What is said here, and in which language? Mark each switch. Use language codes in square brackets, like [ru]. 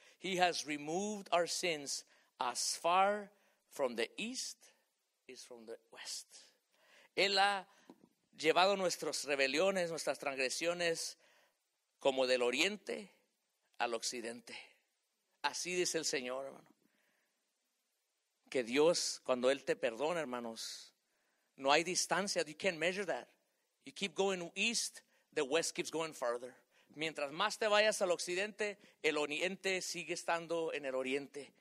[en] He has removed our sins as far from the east as from the west. [es] Él ha llevado nuestras rebeliones, nuestras transgresiones, como del oriente al occidente. Así dice el Señor, hermano. Que Dios, cuando Él te perdona, hermanos, no hay distancia. [en] You can't measure that. You keep going east, the west keeps going further. [es] Mientras más te vayas al occidente, el oriente sigue estando en el oriente.